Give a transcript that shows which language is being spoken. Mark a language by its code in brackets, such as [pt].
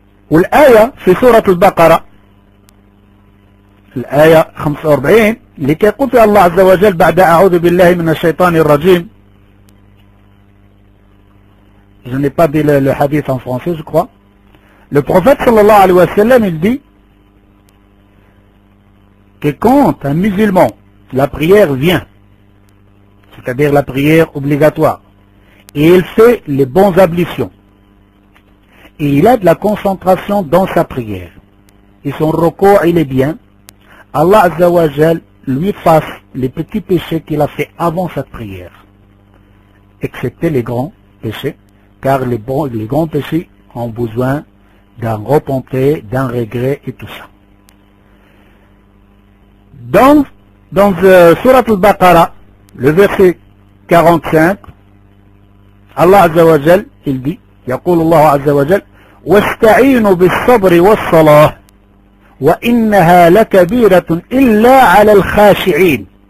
[ar] والآية في سورة البقرة الآية 45 اللي كيقول فيها الله عز وجل بعد أعوذ بالله من الشيطان الرجيم [fr] Je n'ai pas dit le hadith en français, je crois. Le prophète sallallahu alayhi wa sallam, il dit que quand un musulman, la prière vient, c'est-à-dire la prière obligatoire, et il fait les bonnes ablutions, et il a de la concentration dans sa prière, et son recours, il est bien, Allah Azza wa Jal lui fasse les petits péchés qu'il a fait avant sa prière, excepté les grands péchés, car les grands péchés ont besoin d'un repentir, d'un regret et tout ça. Dans Surat al-Baqarah, le verset 45, Allah Azza wa Jal, il dit, [ar] يقول الله عز وجل واستعينوا بالصبر والصلاة وإنها لكبيرة إلا على الخاشعين.